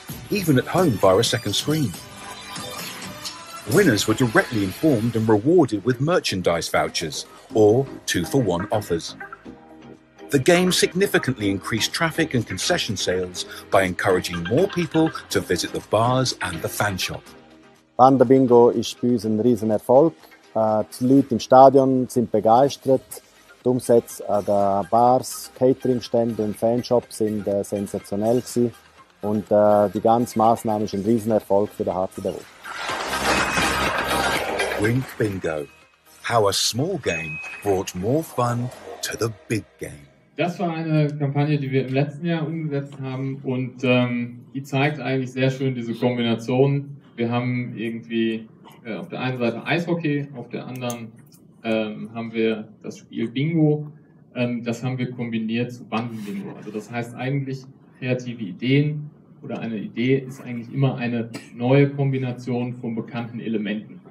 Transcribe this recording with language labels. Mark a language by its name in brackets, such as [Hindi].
[English] Even at home via a second screen. Winners were directly informed and rewarded with merchandise vouchers or two-for-one offers. The game significantly increased traffic and concession sales by encouraging more people to visit the bars and the fan shop. [German] Panda Bingo ist für uns ein Riesenerfolg. Die Leute im Stadion sind begeistert. Die Umsätze an den Bars, Cateringständen und Fanshops sind sensationell gewesen. Und die ganze Maßnahme ist ein Riesenerfolg für den HC Davos. [English] Rink Bingo. How a small game brought more fun to the big game. [German] Das war eine Kampagne, die wir im letzten Jahr umgesetzt haben. Und die zeigt eigentlich sehr schön diese Kombination. Wir haben irgendwie auf der einen Seite Eishockey, auf der anderen haben wir das Spiel Bingo. Das haben wir kombiniert zu Bandenbingo. Also das heißt eigentlich, kreative Ideen oder eine Idee ist eigentlich immer eine neue Kombination von bekannten Elementen.